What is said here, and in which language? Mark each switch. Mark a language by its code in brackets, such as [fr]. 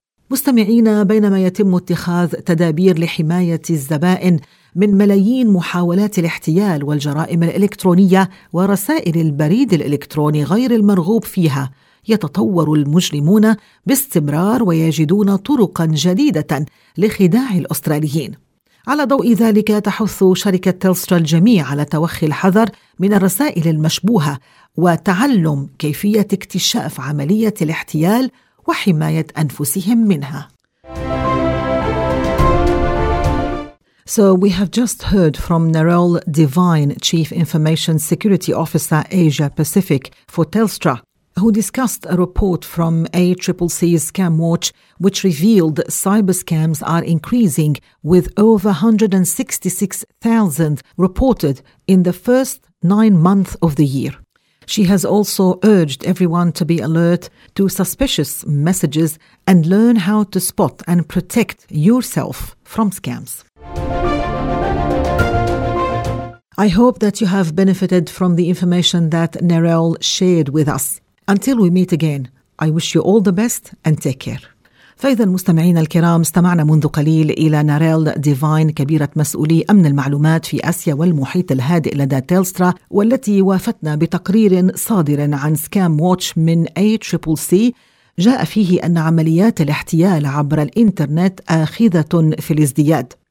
[ar] مستمعينا، بينما يتم اتخاذ تدابير لحماية الزبائن من ملايين محاولات الاحتيال والجرائم الإلكترونية ورسائل البريد الإلكتروني غير المرغوب فيها، يتطور المجرمون باستمرار ويجدون طرقا جديدة لخداع الأستراليين. على ضوء ذلك، تحث شركة تيلسترا الجميع على توخي الحذر من الرسائل المشبوهة وتعلم كيفية اكتشاف عملية الاحتيال وحماية أنفسهم منها. [en] So we have just heard from Narelle Devine, Chief Information Security Officer Asia Pacific for Telstra, who discussed a report from ACCC's Scam Watch, which revealed cyber scams are increasing with over 166,000 reported in the first 9 months of the year. She has also urged everyone to be alert to suspicious messages and learn how to spot and protect yourself from scams. I hope that you have benefited from the information that Narelle shared with us. Until we meet again, I wish you all the best and take care. [ar] فإذا مستمعينا الكرام، استمعنا منذ قليل إلى ناريل ديفاين، كبيرة مسؤولي أمن المعلومات في آسيا والمحيط الهادئ لدى تيلسترا، والتي وافتنا بتقرير صادر عن سكام ووتش من ACCC، جاء فيه أن عمليات الاحتيال عبر الإنترنت آخذة في الازدياد.